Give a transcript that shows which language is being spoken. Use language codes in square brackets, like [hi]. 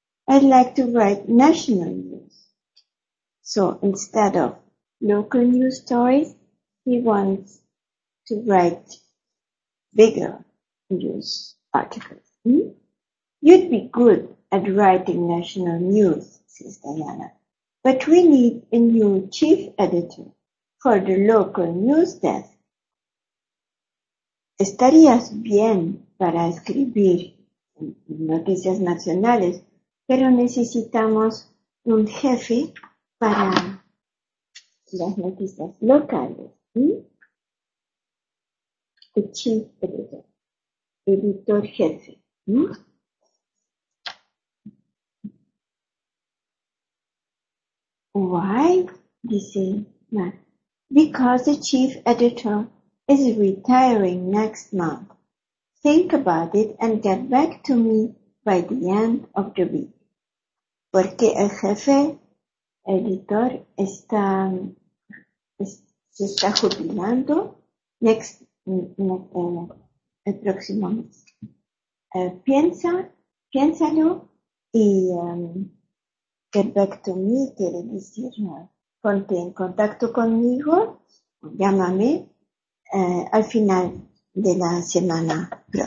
[en] I'd like to write national news. So instead of local news stories, he wants to write bigger news articles. You'd be good at writing national news, says Diana. But we need a new chief editor for the local news desk. [es] Estarías bien para escribir noticias nacionales, pero necesitamos un jefe para las noticias locales. El [en] chief editor, [es] editor jefe. [en] Why? [es] Dice [en] Mark. Because the chief editor is retiring next month. Think about it and get back to me by the end of the week. [es] Porque el jefe editor se está jubilando el próximo mes. Piénsalo y [en] get back to me, [es] quiere decir, ponte en contacto conmigo, llámame al final de la semana.